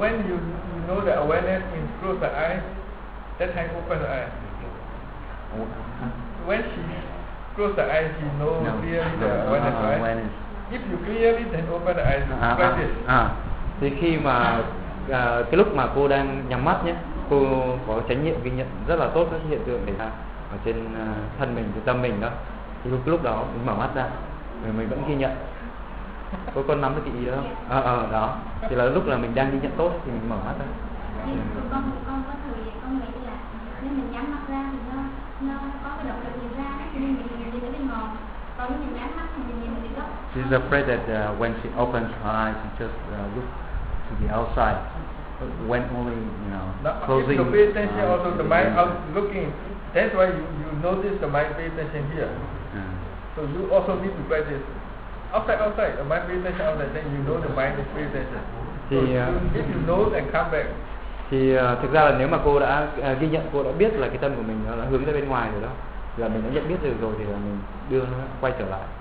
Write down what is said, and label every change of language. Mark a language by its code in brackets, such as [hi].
[en] When you know the awareness in close the eye, that time open the eye. When she close the eye, she know clearly the awareness, right? If you clearly then open the eyes, [vi] Thì khi mà cái lúc mà cô đang nhắm mắt nhé, cô có trách nhiệm ghi nhận rất là tốt các hiện tượng để ở trên thân mình, trên tâm mình đó. Thì lúc đó mình mở mắt ra, mình vẫn ghi nhận. Cô còn nắm được cái ý đó không? Đó. Thì là lúc là mình đang ghi nhận tốt thì mình mở mắt ra. Con có thử vậy, con nghĩ là nếu mình nhắm mắt ra thì nó có cái động lực nhìn ra đó, cho nên mình nhìn thấy bên ngoài. Còn nếu mình nhắm mắt thì mình nhìn thấy gốc. [en] She's afraid that when she opens her eyes, she just look to the outside. When only, you know, closing. If you pay attention also to the mind, looking, That's why you notice the mind pay attention here. Mm. So you also need to practice outside, the mind pay attention outside, then you know the mind is pay attention. [vi] Thì, [en] if you know and come back. [vi] Thì thực ra là nếu mà cô đã ghi nhận, cô đã biết là cái tâm của mình nó hướng ra bên ngoài rồi đó. Là mình đã nhận biết được rồi thì là mình đưa nó quay trở lại.